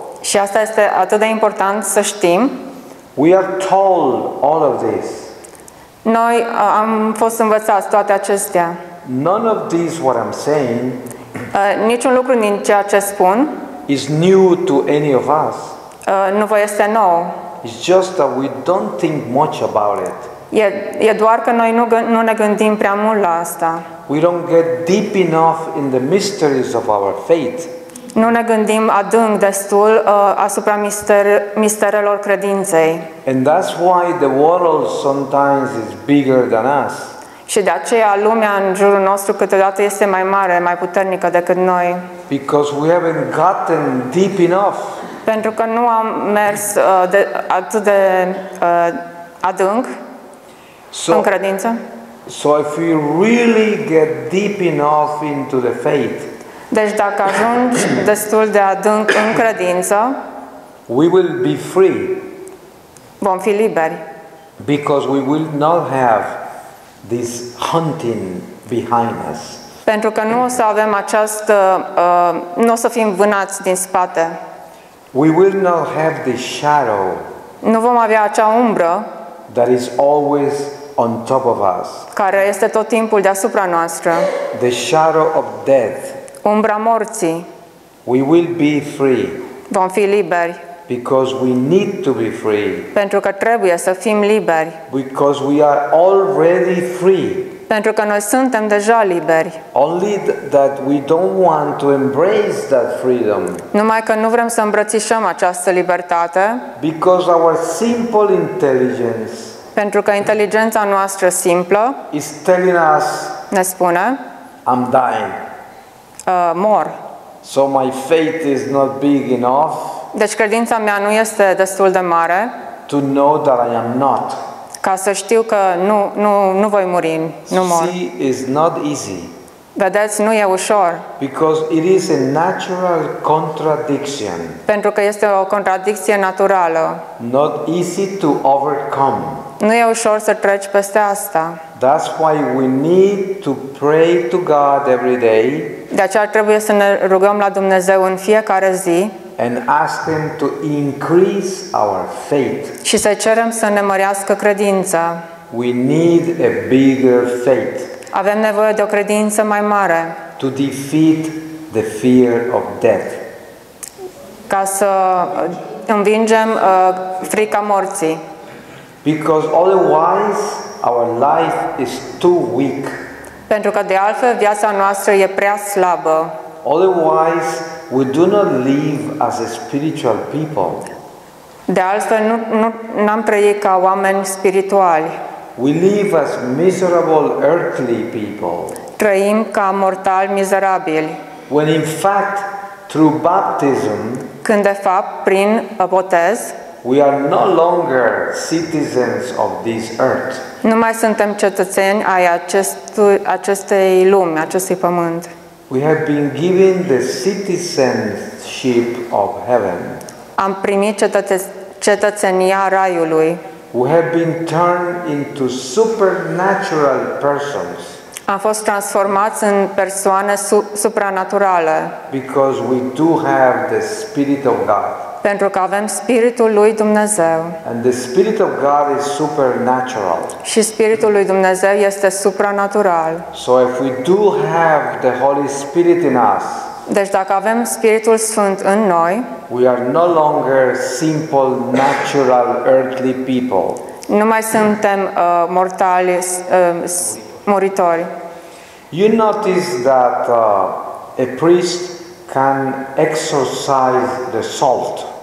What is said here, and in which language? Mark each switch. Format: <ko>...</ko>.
<ro>Și asta este atât de important să știm.</ro> <en>We are told all of this.</en> <ro>Noi am fost învățați toate acestea.</ro> <en>None of this what I'm saying.</en> <ro>Niciun lucru din ceea ce spun</ro> <en>is new to any of us.</en> <ro>Nu vă este nou.</ro> <en>It's just that we don't think much about it.</en> <ro>E doar că noi nu ne gândim prea mult la asta.</ro> <en>We don't get deep enough in the mysteries of our faith.</en> <ro>Nu ne gândim adânc destul asupra misterelor credinței.</ro> <en>And that's why the world sometimes is bigger than us.</en> <ro>Și de aceea lumea în jurul nostru câteodată este mai mare, mai puternică decât noi.</ro> <en>Because we haven't gotten deep enough.</en> <ro>Pentru că nu am mers atât de adânc în credință.</ro> <en>So if we really get deep enough into the faith.</en> <ro>Deci dacă ajungi destul de adânc în credință,</ro> <en>we will be free.</en> <ro>Vom fi liberi.</ro> <en>Because we will not have this hunting behind us.</en> <ro>Pentru că nu o să avem această nu o să fim vânați din spate.</ro> <en>We will not have the shadow.</en> <ro>Nu vom avea acea umbră.</ro> <en>That is always on top of us.</en> <ro>Care este tot timpul deasupra noastră.</ro> <en>The shadow of death.</en> <ro>Umbra morții.</ro> <en>We will be free.</en> <ro>Vom fi liberi.</ro> <en>Because we need to be free.</en> <ro>Pentru că trebuie să fim liberi.</ro> <en>Because we are already free.</en> <ro>Pentru că noi suntem deja liberi.</ro> <en>Only that we don't want to embrace that freedom.</en> <ro>Numai că nu vrem să îmbrățișăm această libertate.</ro> <en>Because our simple intelligence.</en> <ro>Pentru că inteligența noastră simplă</ro> <en>is telling us.</en> <ro>Ne spune.</ro> <en>I'm dying.</en> <ro>Mor.</ro> <en>So my faith is not big enough.</en> <ro>Deci credința mea nu este destul de mare.</ro> <en>To know that I am not.</en> <ro>Ca să știu că nu voi muri, nu mor.</ro> <en>See, is not easy.</en> <ro>Vedeți, nu e ușor.</ro> <en>Because it is a natural contradiction.</en> <ro>Pentru că este o contradicție naturală.</ro> <en>Not easy to overcome.</en> <ro>Nu e ușor să treci peste asta.</ro> <en>That's why we need to pray to God every day.</en> <ro>De aceea trebuie să ne rugăm la Dumnezeu în fiecare zi.</ro> <en>And ask him to increase our faith.</en> <ro>Și să cerem să ne mărească credința.</ro> <en>We need a bigger faith.</en> <ro>Avem nevoie de o credință mai mare.</ro> <en>To defeat the fear of death.</en> <ro>Ca să învingem frica morții.</ro> <en>Because otherwise our life is too weak.</en> <ro>Pentru că de altfel viața noastră e prea slabă.</ro> <en>Otherwise we do not live as a spiritual people.</en> <ro>De altfel nu n-am trăit ca oameni spirituali.</ro> <en>We live as miserable earthly people.</en> <ro>Trăim ca mortali mizerabili.</ro> <en>When in fact through baptism,</en> <ro>când de fapt prin botez,</ro> <en>we are no longer citizens of this earth.</en> <ro>Nu mai suntem cetățeni ai acestei lumi, acestui pământ.</ro> <en>We have been given the citizenship of heaven.</en> <ro>Am primit cetățenia raiului.</ro> <en>We have been turned into supernatural persons.</en> <ro>Am fost transformați în persoane supranaturale.</ro> <en>Because we do have the Spirit of God.</en> <ro>Pentru că avem Spiritul lui Dumnezeu.</ro> <en>And the Spirit of God is supernatural.</en> <ro>Și Spiritul lui Dumnezeu este supranatural.</ro> <en>So if we do have the Holy Spirit in us.</en> <ro>Deci dacă avem Spiritul Sfânt în noi,</ro> <en>we are no longer simple natural earthly people.</en> <ro>Nu mai suntem mortali, muritori.</ro> <en>You notice that a priest can exorcise the salt.</en>